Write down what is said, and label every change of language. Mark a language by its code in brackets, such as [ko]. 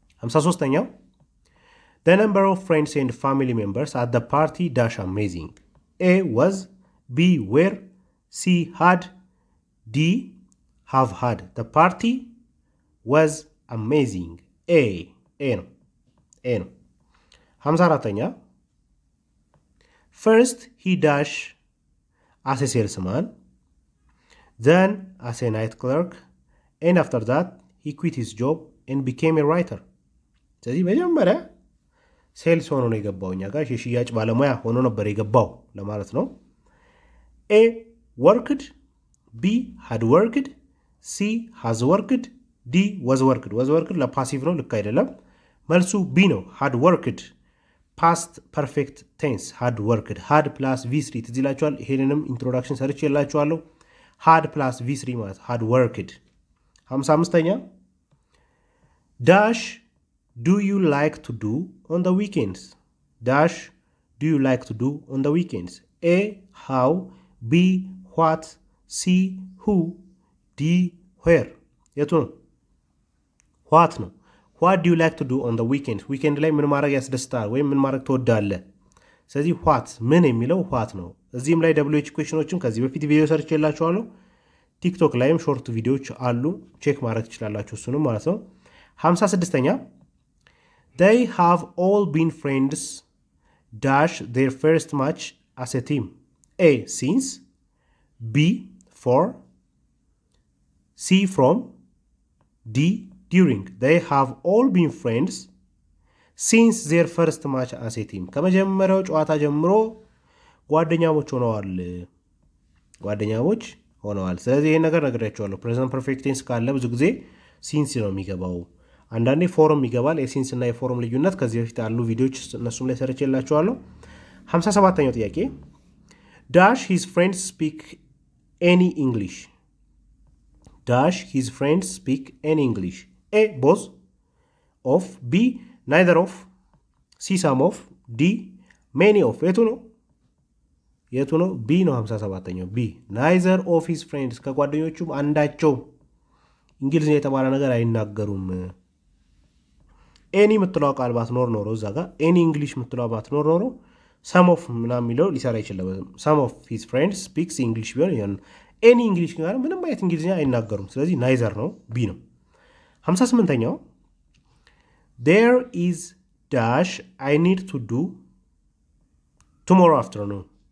[en] 53ኛው the number of friends and family members at the party dash amazing a was b were c had d have had the party was amazing a n 54ኛ First, he dash as a salesman, then as a night clerk, and after that, he quit his job and became a writer. [am] ስለዚህ መጀመሪያ ሴልስ ሆኖ ነው የገባው እኛ ጋር ሽያጭ ባለሙያ ሆኖ ነበር የገባው ለማለት ነው። [en] A worked, B had worked, C has worked, D was worked. [am] Was worked ለፓሲቭ ነው ልክ አይደለም? [en] መልሱ B ነው had worked. Past perfect tense had worked. Had plus V3 [am] ትዝላችኋል? ይሄንንም ኢንትሮዳክሽን ሰርቼላችኋለሁ። [en] Had plus V3 ማለት had worked. 55ኛ dash do you like to do on the weekends? Dash do you like to do on the weekends? A how, B what, C who, D where. [am] የቱ ነው? [en] What ነው? What do you like to do on the weekends? [am] Weekend ላይ ምን ማድረግ ያስደስታል ወይ ምን ማድረግ ትወዳለህ? ስለዚህ what ምን የሚለው what ነው። እዚህም ላይ WH questionዎችን ከዚህ በፊት ቪዲዮ ሰርቼላችኋለሁ። TikTok ላይም ሾርት ቪዲዮዎች አሉ ቼክ ማድረግ ትችላላችሁ እሱንም ማለት ነው። 56ኛ [en] they have all been friends dash their first match as a team. A since, B for, C from, D during. They have all been friends since their first match as a team. [am] ከመጀመሪያው ጨዋታ ጀምሮ ጓደኛሞች ሆነዋል ጓደኛሞች ሆነዋል። ስለዚህ ይሄን ነገር ነግራችኋለሁ። present perfect tense ካለ ብዙ ጊዜ since ነው የሚገባው። አንዳንዴ ፎርም ይገባል። ኤሲንስ እና የፎርም ልዩነት ከዚህ በፊት አሉ ቪዲዮዎች እነሱም ላይ ሰርቼላችኋለሁ። 57ኛው ጥያቄ [en] dash his friends speak any english. dash his friends speak any english. A both of, B neither of, C some of, D many of. [am] የቱ ነው? B ነው 57ኛው። [en] B neither of his friends [am] ከጓደኞቹም አንዳቸው እንግሊዝኛ የተባለ ነገር አይናገሩም። any ምትለው ቃል ባትኖር ኖሮ እዛ ጋር any english ምትለው ባትኖር ኖሮ [en] some of ምናምን ይለው ሊሰራ ይችላል። some of his friends speaks english well and any english [am] ጋር ምንም አይነት እንግሊዝኛ አይናገሩም። ስለዚህ neither ነው b ነው። 58ኛው [en] there is dash i need to do tomorrow afternoon.